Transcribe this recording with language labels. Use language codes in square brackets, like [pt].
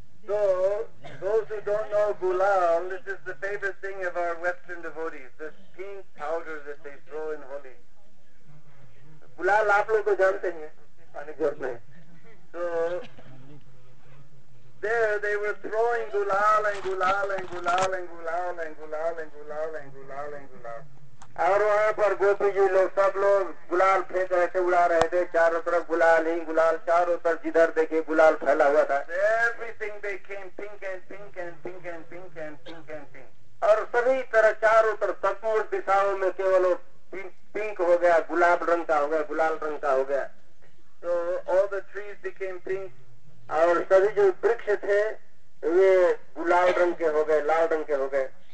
[en] तो those who don't know gulal, this is the favorite thing of our Western devotees, this pink powder that they throw in holi. [hi] गुलाल आप लोग को जानते हैं अनेक में. [en] तो there they were throwing gulal and gulal and gulal and gulal and gulal and gulal and gulal and gulal. [hi] और वहाँ पर गोपी जी लोग सब लोग गुलाल फेंक रहे थे उड़ा रहे थे चारों तरफ गुलाल ही गुलाल चारों तरफ जिधर देखे गुलाल फैला हुआ था. [en] Everything became pink and pink and pink and pink and pink and pink. [hi] और सभी तरह चारों तरफ सकोर दिशाओं में केवल वो पिंक हो गया गुलाब रंग का हो गया गुलाल रंग का हो गया. [en] So all the trees became pink. [hi] और सभी जो वृक्ष थे वे गुलाल रंग के हो गए लाल रंग के हो गए.